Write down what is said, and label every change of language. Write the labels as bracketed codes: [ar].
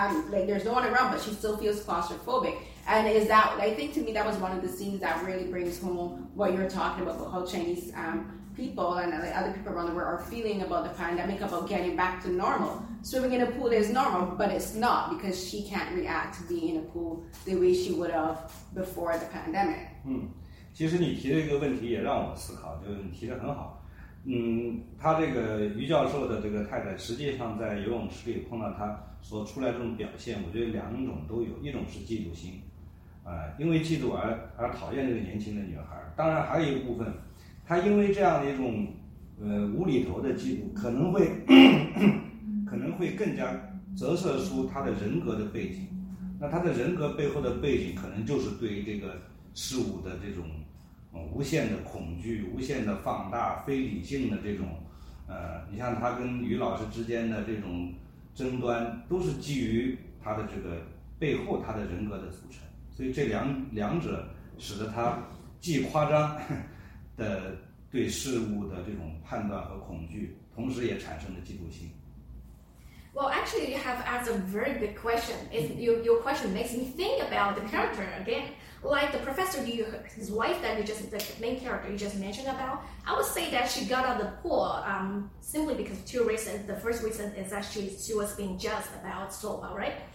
[en] like there's no one around, but she still feels claustrophobic. And is that, I think to me that was one of the scenes that really brings home what you're talking about how Chinese people and like other people around the world are feeling about the pandemic, about getting back to normal. Swimming in a pool is normal, but it's not, because she can't react to being in a pool the way she would have before the pandemic. [zh] 嗯，其实你提这个问题也让我思考，就是你提得很好。他这个于教授的这个太太实际上在游泳池里碰到他所出来这种表现，我觉得两种都有，一种是嫉妒心，因为嫉妒而讨厌这个年轻的女孩，当然还有一部分他因为这样的一种无厘头的嫉妒，可能会更加折射出他的人格的背景，那他的人格背后的背景可能就是对于这个事物的这种无限的恐惧，无限的放大，非理性的这种你像他跟于老师之间的这种争端都是基于他的这个背后他的人格的组成，所以这两者使得他既夸张的对事物的这种判断和恐惧，同时也产生了嫉妒心。 [en] Well, actually, you have asked a very good question. Your question makes me think about the character again. Like the professor, his wife, that you just, the main character you just mentioned about, I would say that she got out of the pool simply because of two reasons. The first reason is that she was being just about Sova, right?